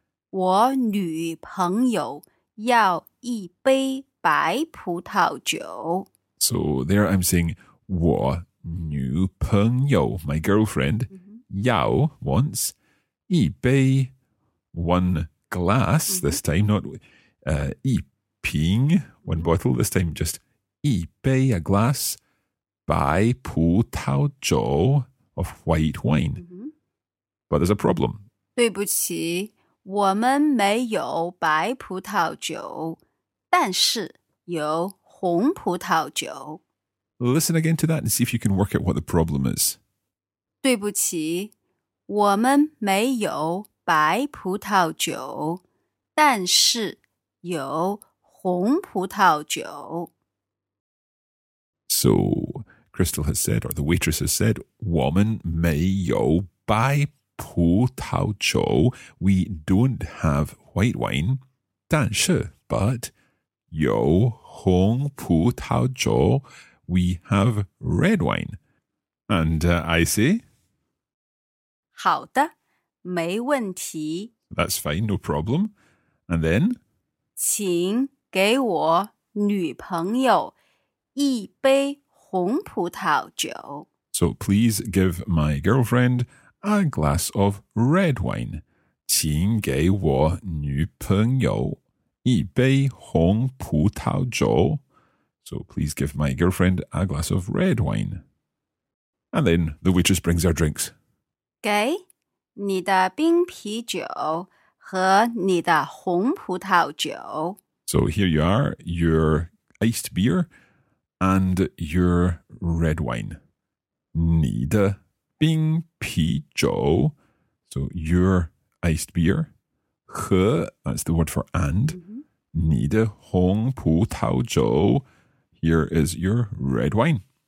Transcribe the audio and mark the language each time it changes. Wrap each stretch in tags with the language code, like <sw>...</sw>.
<zh>我女朋友要一杯白葡萄酒。</zh> <en>So there I'm saying,</en> <zh>我女朋友,</zh> <en>my girlfriend,</en> <zh>要</zh> <en>wants,</en> <zh>一杯,</zh> <en>one glass, this time, not</en> <zh>一瓶,</zh> <en>one bottle, this time just 一杯, a glass,</en> <zh>白葡萄酒,</zh> <en>of white wine. But there's a problem.</en> <zh>对不起,我们没有白葡萄酒,但是有红葡萄酒。</zh> <en>Listen again to that and see if you can work out what the problem is.</en> <zh>对不起，我们没有白葡萄酒，但是有红葡萄酒。</zh> <en>So, Crystal has said, or the waitress has said,</en> <zh>我们没有白葡萄酒。</zh> <en>We don't have white wine,</en> <zh>但是</zh> <en>but</en> <zh>有红葡萄酒,</zh> <en>we have red wine. And I say,</en> <zh>好的，没问题。</zh> <en>That's fine, no problem. And then,</en> <zh>请给我女朋友一杯红葡萄酒。</zh> <en>So please give my girlfriend a glass of red wine.</en> <zh>请给我女朋友一杯红葡萄酒。</zh> <en>So please give my girlfriend a glass of red wine. And then the waitress brings our drinks.</en> <zh>给你的冰啤酒和你的红葡萄酒。</zh> <en>So here you are, your iced beer and your red wine.</en> <zh>你的冰啤酒,</zh> <en>so your iced beer,</en> <zh>和,</zh> <en>that's the word for and,</en> <zh>你的红葡萄酒,</zh> <en>here is your red wine.</en>